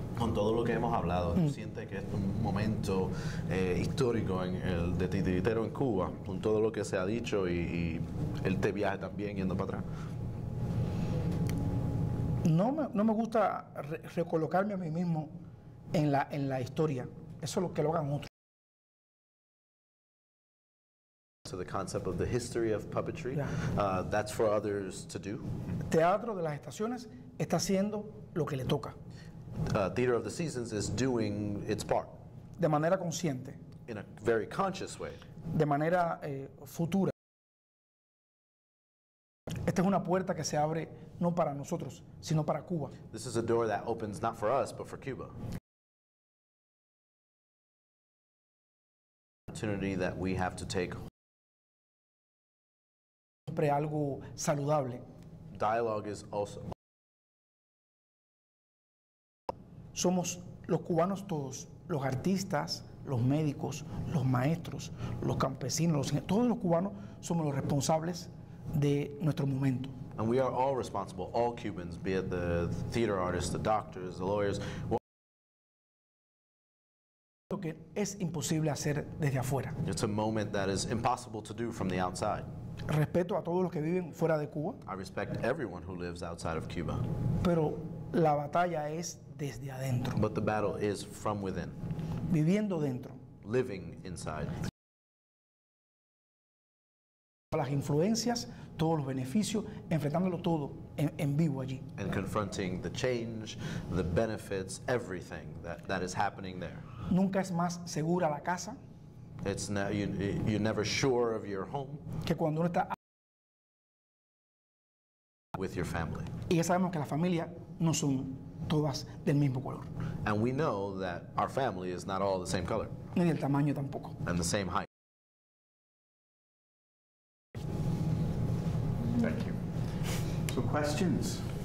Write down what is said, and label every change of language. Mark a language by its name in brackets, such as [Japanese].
[Spanish] Con todo lo que hemos hablado, siente que es un momento histórico en el de titiritero en Cuba, con todo lo que se ha dicho y el te viaje también yendo para atrás. No me gusta recolocarme a mí mismo en la historia. Eso es lo que lo hagan otros. [English] To the concept of the history of puppetry, that's for others to do. [Spanish] Teatro de las Estaciones está haciendo lo que le toca. [English] Theater of the Seasons is doing its part. [Spanish] De manera consciente. [English] In a very conscious way. [Spanish] De manera futura. Esta es una puerta que se abre no para nosotros, sino para Cuba. [English] This is a door that opens not for us, but for Cuba. Opportunity that we have to take. [Spanish] Algo saludable. [English] Dialogue is also. [Spanish] Somos los cubanos todos, los artistas, los médicos, los maestros, los campesinos, todos los cubanos somos los responsables de nuestro momento. [English] And we are all responsible, all Cubans, be it the theater artists, the doctors, the lawyers. [Spanish] Lo que es imposible hacer desde afuera. [English] It's a moment that is impossible to do from the outside. [Spanish] Respeto a todos los que viven fuera de Cuba. [English] I respect everyone who lives outside of Cuba. [Spanish] Pero la batalla es desde adentro. [English] But the battle is from within. [Spanish] Viviendo dentro. [English] Living inside. [Spanish] Las influencias, todos los beneficios, enfrentándolo todo en vivo allí. [English] And confronting the change, the benefits, everything that is happening there. [Spanish] Nunca es más segura la casa. [English] It's not, you're never sure of your home. [Spanish] Que cuando uno está [English] with your family. [Spanish] Y ya sabemos que la familia no son todas del mismo color. [English] And we know that our family is not all the same color. [Spanish] Ni del tamaño tampoco. [English] And the same height. Thank you. So questions?